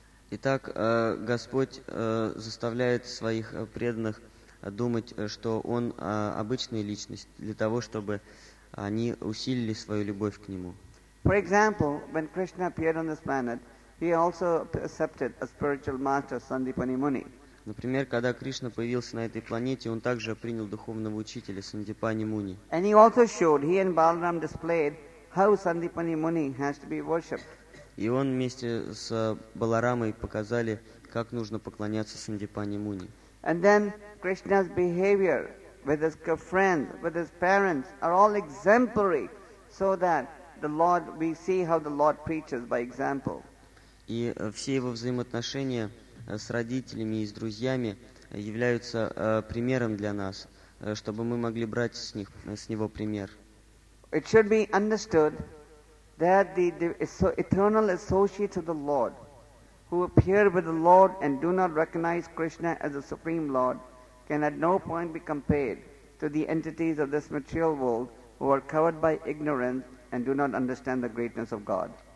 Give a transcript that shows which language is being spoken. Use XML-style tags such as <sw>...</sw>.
<ru>Итак, Господь заставляет своих преданных думать, что он обычная личность для того, чтобы они усилили свою любовь к нему.</ru> <en>For example, when Krishna appeared on this planet, he also accepted a spiritual master, Sandipani Muni.</en> <ru>Например, когда Кришна появился на этой планете, он также принял духовного учителя Сандипани Муни.</ru> <en>And he also showed, he and Balaram displayed how Sandipani Muni has to be worshipped.</en> <ru>И он вместе с Баларамой показали, как нужно поклоняться Сандипани Муни.</ru> <en>And then Krishna's behavior with his friends, with his parents, are all exemplary, so that the Lord, we see how the Lord preaches by example.</en> <ru>И все его взаимоотношения с родителями и с друзьями являются примером для нас, чтобы мы могли брать с него пример.</ru> <en>It should be understood that the eternal associates of the Lord, who appear with the Lord and do not recognize Krishna as the Supreme Lord, can at no point be compared to the entities of this material world who are covered by ignorance and do not understand the greatness of God.</en>